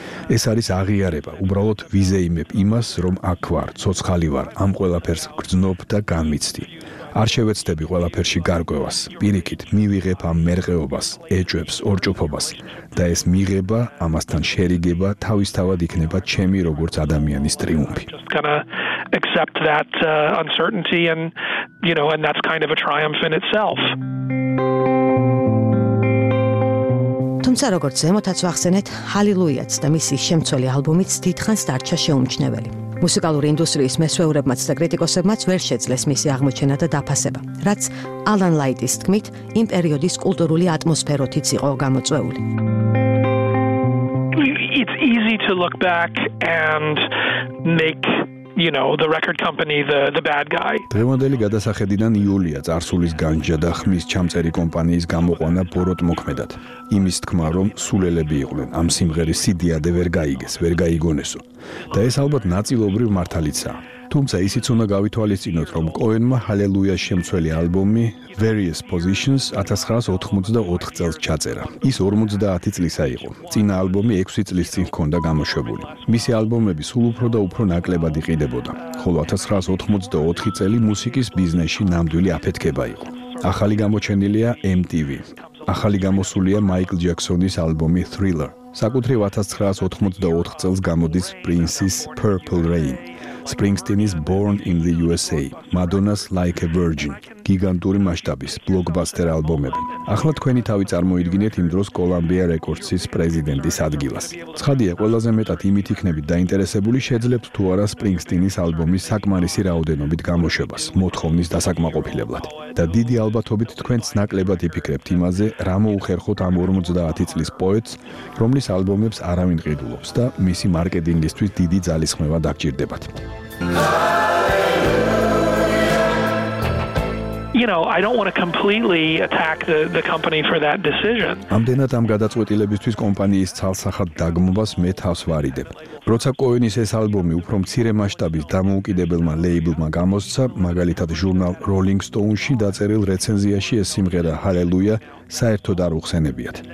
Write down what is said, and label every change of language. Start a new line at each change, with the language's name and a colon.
Georgian: ეს არის აღიარება, უბრალოდ ვიზეიმებ იმას, რომ აქ ვარ, ცოცხალი ვარ, ამ ყველაფერს გრძნობ და განმიცდი. არ შევეცდები ყველაფერში გარკვევას, პირიქით მივიღებ ამ მერყეობას, ეჭვებს, ორჭოფობას და ეს მიღება, ამასთან შერიგება, თავისთავად იქნება ჩემი როგორც ადამიანის ტრიუმფი.
English: Accept that uncertainty and you know and that's kind of a triumph in itself.
Georgian: თუმცა როგორც ზემოთაც ვახსენეთ, ჰალილუიაც და მისი შემცველი ალბომიც დიდხანს დარჩა შეუმჩნეველი. მუსიკალური ინდუსტრიის მესვეურებმაც და კრიტიკოსებმაც ვერ შეძლეს მისი აღმოჩენა და დაფასება, რაც ალან ლაიტის თქმით, იმ პერიოდის კულტურული ატმოსფეროთიც იყო გამოწვეული.
English: It's easy to look back and make you know the record company the bad guy.
Georgian: დღევანდელი გადასახედიდან იულია წარსულის განჯა და ხმის ჩამწერი კომპანიის გამოყვანა ბოროტ მოქმედად. იმის თქმა რომ სულელები იყვნენ ამ სიმღერის სიდიადე ვერ გაიგეს, ვერ გაიგონესო. და ეს ალბათ ნაწილობრივ მართალიცაა. თუმცა ისიც უნდა გავითვალისწინოთ რომ კოენმა ჰალელუია შემცველი ალბომი Various Positions 1984 წელს ჩაწერა. ის 50 წლისა იყო. წინა ალბომი 6 წლის წინ ჰქონდა გამოშვებული. მისი ალბომები სულ უფრო და უფრო ნაკლებად იყიდებოდა. ხოლო 1984 წელი მუსიკის ბიზნესში ნამდვილი აფეთქება იყო. ახალი გამოჩენილია MTV. ახალი გამოსულია Michael Jackson-ის ალბომი Thriller. საკუთრივ 1984 წელს გამოდის Prince-ის Purple Rain. Springsteen's Born in the USA, Madonna's Like a Virgin, გიგანტური მასშტაბის ბლოკბასტერ ალბომები. ახლა თქვენი თავი წარმოიდგინეთ იმ დროს Columbia Records-ის პრეზიდენტის ადგილას. ცხადია, ყველაზე მეტად იმით იქნებით დაინტერესებული, შეძლებთ თუ არა Springsteen-ის ალბომის საკმარისი რაოდენობით გამოშვებას, მოთხოვნის დასაკმაყოფილებლად. და დიდი ალბათობით თქვენც ნაკლებად იფიქრებთ იმაზე, რა მოუხერხოთ ამ 50 წლის პოეტს, რომლის ალბომებს არავინ ყიდულობს და მისი მარკეტინგისთვის დიდი ძალისხმევა დაგჭირდებათ.
English: you know, I don't want to completely attack the company for that decision.
Georgian: Ამდენად ამ გადაწყვეტილებისთვის კომპანიის ცალსახად დაგმობას მე თავს ვარიდებ. როცა კოენის ეს ალბომი უფრო მცირე მასშტაბის დამოუკიდებელმა ლეიბლმა გამოსცა, მაგალითად ჟურნალ Rolling Stone-ში დაწერილ რეცენზიაში ეს სიმღერა Hallelujah საერთოდ არ უხსენებიათ.